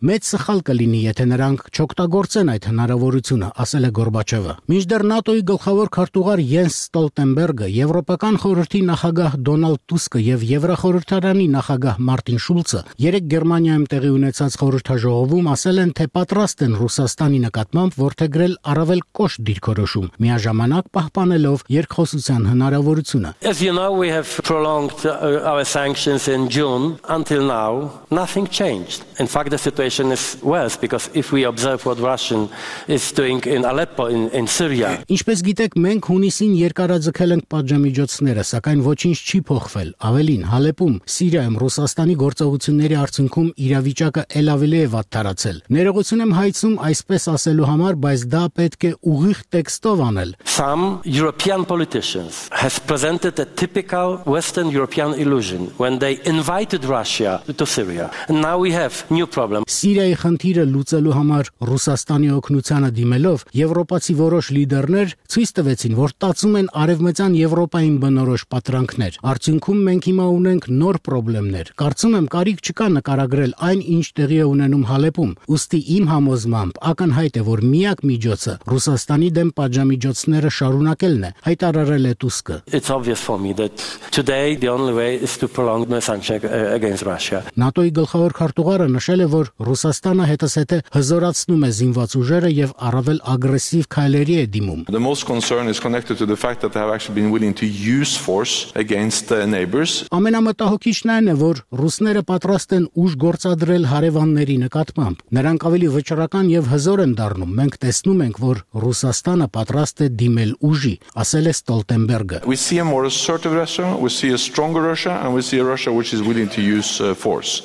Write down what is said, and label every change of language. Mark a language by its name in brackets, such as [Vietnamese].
[Armenian] Մեծ սխալ կլինի, եթե նրանք չօգտագործեն այդ հնարավորությունը, ասել է Գորբաչովը։ Մինչդեռ ՆԱՏՕ-ի գլխավոր քարտուղար Յենս Ստոլտենբերգը, Եվրոպական խորհրդի նախագահ Դոնալդ Տուսկը եւ Եվրախորհրդարանի նախագահ Մարտին Շուլցը երեք Գերմանիայում տեղի ունեցած խորհրդաժողով ովում ասել են, թե պատրաստ են Ռուսաստանի նկատմամբ որդեգրել առավել կոշտ դիրքորոշում, միաժամանակ պահպանելով երկխոսության հնարավորությունը։ [English] As you know, we have prolonged our sanctions in June. Until now, nothing changed. In fact, the situation is worse because if we observe what Russia is doing in Aleppo in Syria. [Armenian] Ինչպես գիտեք, մենք հունիսին երկարաձգել ենք պատժամիջոցները, սակայն ոչինչ չի փոխվել։ Ավելին, Հալեպում, Սիրիայում Ռուսաստանի գործողությունների արդյունքում իրավիճակը ել ավելի է վատ տարածել։ Ներողություն եմ հայցում այսպես ասելու համար, բայց դա պետք է ուղիղ տեքստով անել. [English] Some European politicians have presented a typical Western European illusion when they invited Russia to Syria. And now we have new problem. [Armenian] Սիրիայի խնդիրը լուծելու համար Ռուսաստանի օգնությանը դիմելով եվրոպացի որոշ լիդերներ ցույց տվեցին, որ տածում են արևմտյան Եվրոպային բնորոշ պատրանքներ։ Արդյունքում մենք հիմա ունենք նոր պրոբլեմներ։ Կարծում եմ, կարիք չկա նկարագրել այն, ինչ տեղի է ունենում Հալեպում։ Ուստի իմ համոզմամբ ակնհայտ է, որ միակ միջոցը Ռուսաստանի դեմ պատժամիջոցները շարունակելն է, հայտարարել է Տուսկը։ [English] It's obvious for me that today the only way is to prolong the sanctions against Russia. [Armenian] ՆԱՏՕ-ի գլխավոր քարտուղարը նշել է, որ Ռուսաստանը հետզհետե հզորացնում է զինված ուժերը եւ առավել ագրեսիվ քայլերի է դիմում։ [English] The most concern is connected to the fact that they have actually been willing to use force against the neighbors. [Armenian] Ամենամտահոգիչն այն է, որ ռուսները պատրաստ են ուժ գործադրել հարևանների նկատմամբ։ Նրանք ավելի վճռական եւ հզոր են դառնում։ Մենք տեսնում ենք, որ Ռուսաստանը պատրաստ է դիմել ուժի, ասել է Ստոլտենբերգը։ [English] We see a more assertive Russia, we see a stronger Russia, and we see a Russia which is willing to use force.